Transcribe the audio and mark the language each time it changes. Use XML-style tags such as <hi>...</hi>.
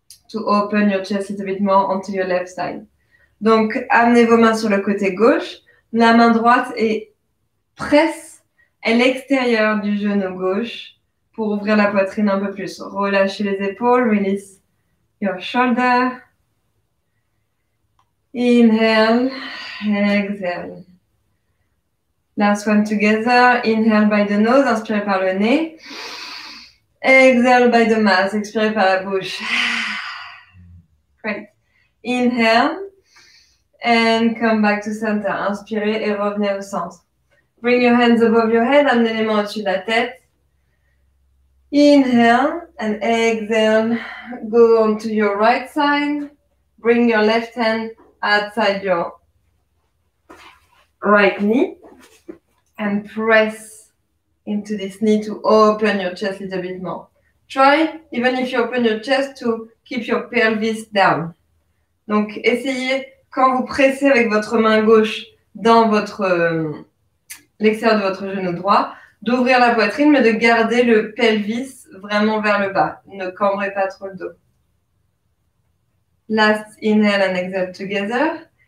<en>To open your chest a little bit more onto your left side.</en> <fr>Donc, amenez vos mains sur le côté gauche. La main droite est presse à l'extérieur du genou gauche pour ouvrir la poitrine un peu plus. Relâchez les épaules.</fr> <en>Release your shoulder. Inhale. Exhale. Last one together. Inhale by the nose.</en> <fr>Inspirez par le nez.</fr> <en>Exhale by the mouth.</en> <fr>Expirez par la bouche.</fr> <en>Inhale and come back to center.</en> <fr>Inspirez et revenez au centre.</fr> <en>Bring your hands above your head.</en> <fr>Amenez les mains au-dessus de la tête.</fr> <en>Inhale and exhale. Go on to your right side. Bring your left hand outside your right knee. And press into this knee to open your chest a little bit more. Try, even if you open your chest, to keep your pelvis down.</en> <fr>Donc, essayez, quand vous pressez avec votre main gauche dans l'extérieur de votre genou droit, d'ouvrir la poitrine, mais de garder le pelvis vraiment vers le bas. Ne cambrez pas trop le dos.</fr> <en>Last inhale and exhale together.</en>